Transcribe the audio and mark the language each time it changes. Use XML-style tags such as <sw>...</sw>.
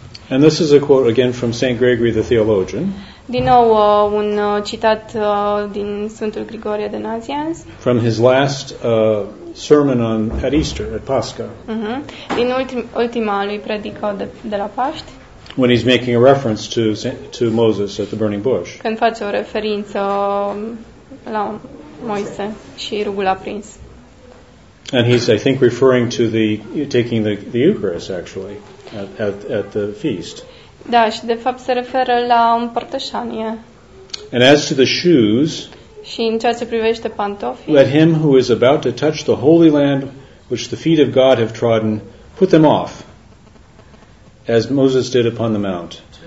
<en>And this is a quote again from St. Gregory the Theologian.</en> <ro>Din nou un citat din Sfântul Grigorie de Nazianz.</ro> <en>From his last sermon on at Easter at Pascha.</en> <ro>Din ultima lui predică de la Paști.</ro> <en>When he's making a reference to Moses at the burning bush.</en> <ro>Când face o referință la Moise și rugul aprins.</ro> <en>And he's, I think, referring to the taking the Eucharist actually at the feast.</en> <ro>Da, și de fapt se referă la împărtășanie.</ro> <en>And as to the shoes,</en> <ro>și în ceea ce privește pantofii,</ro> <en>let him who is about to touch the holy land which the feet of God have trodden, put them off, as Moses did upon the mount.</en>